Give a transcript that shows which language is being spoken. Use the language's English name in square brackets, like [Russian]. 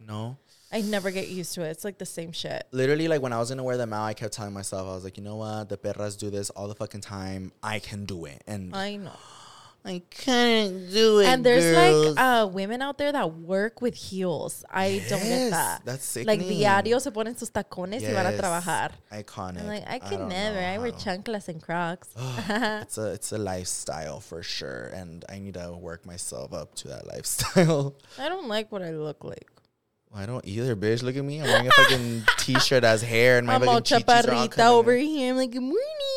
[English] No. I never get used to it. It's like the same shit. Literally, like, when I was going to wear them out, I kept telling myself, I was like, you know what? The perras do this all the fucking time. I can do it. And I know. I can't do it, and there's, girls. Like, women out there that work with heels. I yes, don't get that. That's sickening. [Spanish] Like, diario se ponen sus tacones yes. y van a trabajar. [English] Iconic. I'm like, I can I never. I wear chanclas and Crocs. It's a lifestyle for sure, and I need to work myself up to that lifestyle. I don't like what I look like. I don't either, bitch. Look at me. I'm wearing a fucking t-shirt as hair. And my I'm all chaparrita over here. I'm like, good morning.